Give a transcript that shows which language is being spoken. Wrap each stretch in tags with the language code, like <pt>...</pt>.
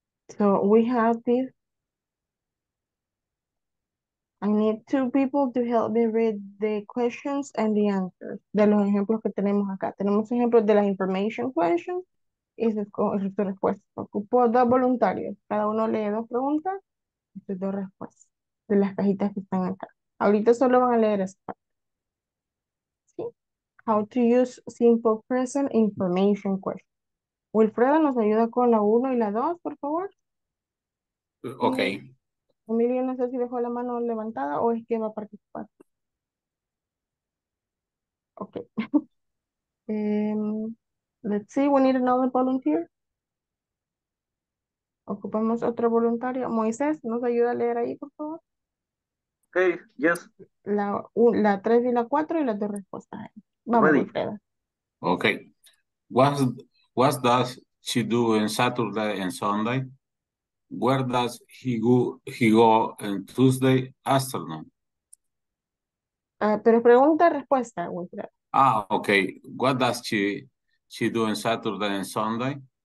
<en>Okay. So we have this. I need two people to help me read the questions and the answers.</en> <es>De los ejemplos que tenemos acá. Tenemos ejemplos de las</es> <en>information questions</en> <es>y sus respuestas. Ocupo dos voluntarios. Cada uno lee dos preguntas y sus dos respuestas de las cajitas que están acá. Ahorita solo van a leer esta parte.</es> <en>How to use simple present information question.</en> <es>Wilfredo, ¿nos ayuda con la 1 y la 2, por favor?</es> <en>Ok.</en> <es>Emilio, no sé si dejó la mano levantada o es que va a participar.</es> <en>Ok. let's see, we need another volunteer.</en> <es>Ocupamos otro voluntario. Moisés, ¿nos ayuda a leer ahí, por favor?</es> <en>Ok, yes.</en> <es>La 3 y la 4 y las dos respuestas. Vamos,</es> <en>ready. Okay. What does she do on Saturday and Sunday? Where does he go on Tuesday afternoon?</en> <es>Pero pregunta, respuesta.</es> <en>Ah, okay. What does she do on Saturday and Sunday?</en>